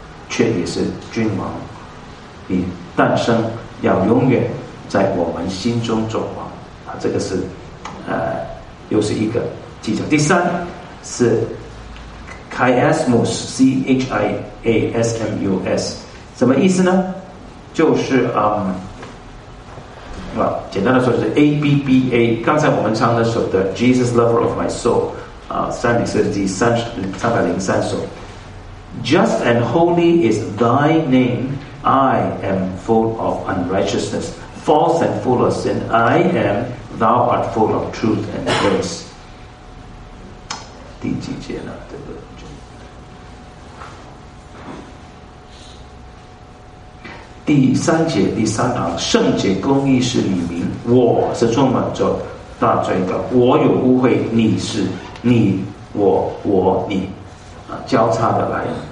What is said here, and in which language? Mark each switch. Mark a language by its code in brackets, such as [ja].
[zh] 却也是君王你诞生要永远在我们心中做王这个是又是一个技巧第三是 Chiasmus C-H-I-A-S-M-U-S 什么意思呢就是简单的说就是 A-B-B-A 刚才我们唱的首的 Jesus Lover of My Soul 三里四第303首 [en] Just and holy is thy name. I am full of unrighteousness. False and full of sin. I am, thou art full of truth and grace. [zh] 第几节呢？这个第三节第三行，圣洁公义是你名。我是充满着大罪的。我有污秽，你是你我我你，交叉的来。